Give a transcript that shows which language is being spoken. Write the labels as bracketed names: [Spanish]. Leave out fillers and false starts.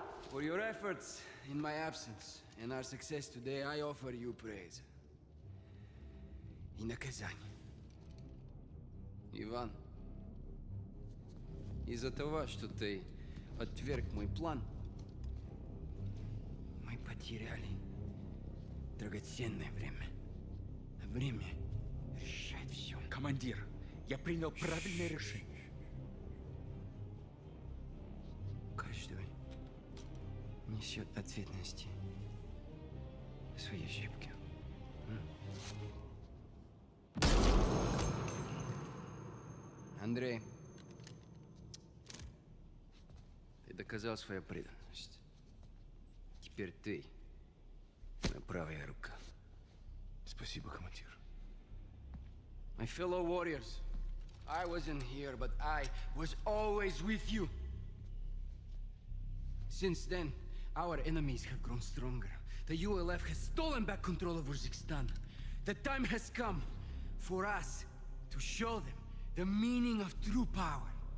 [English] For your efforts in my absence and our success today, I offer you praise. [Russian] И наказание. Иван, из-за того, что ты отверг мой план, мы потеряли драгоценное время. Время решает все. Командир, я принял правильное решение. Каждый несет ответственность за свои ошибки. Андрей, ты доказал свою преданность. Теперь ты моя правая рука. Спасибо, командир. [English] My fellow warriors, I wasn't here, but I was always with you. Since then, our enemies have grown stronger. The ULF has stolen back control of Uzbekistan. The time has come for us to show them the meaning of true power.